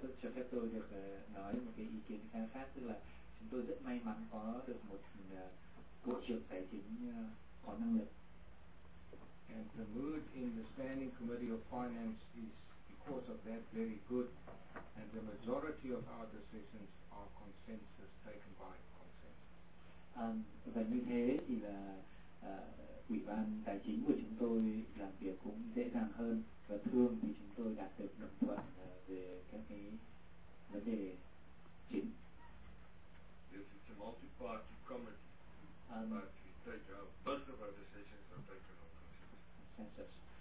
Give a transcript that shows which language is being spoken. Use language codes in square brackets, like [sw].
[vi] cho phép tôi được nói một cái ý kiến khác, tức là chúng tôi rất may mắn có được một bộ trưởng tài chính có năng lực. [en] And the mood in the Standing Committee of Finance is because of that very good, and the majority of our decisions are consensus, taken by consensus. [vi] Và như thế thì là ủy ban tài chính của chúng tôi làm việc cũng dễ dàng hơn, và thường thì chúng tôi đạt được đồng thuận về các cái vấn đề chính. [en] Yes, it's a multi-party committee, but we take our, both of our decisions are taken on consensus.